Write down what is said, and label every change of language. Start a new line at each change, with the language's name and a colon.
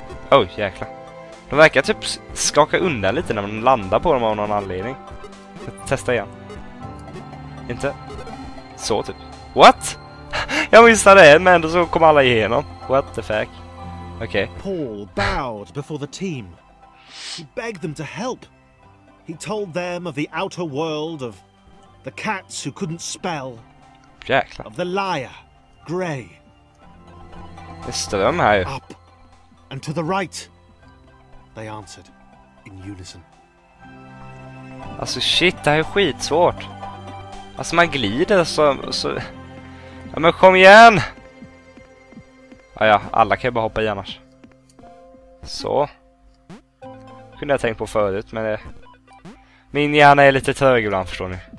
Swedish: Oj, jäkla. De verkar typ skaka undan lite när man landar på dem av någon anledning. Jag testar igen. Inte. Så typ. What? Jag missade en, men ändå så kom alla igenom.
English: What the fuck? Okej. Paul bowed before the team. He begged them to help. He told them of the outer world, of the cats who couldn't spell.
Swedish: Jäkla.
English: Of the liar, Gray.
Swedish: Det ström här ju.
English: Up and to the right, they answered in unison.
Swedish: Alltså shit, det här är skitsvårt. Alltså man glider så... Ja, men kom igen! Ja, alla kan ju bara hoppa i annars. Så. Kunde jag tänkt på förut, men... Min hjärna är lite trög ibland, förstår ni.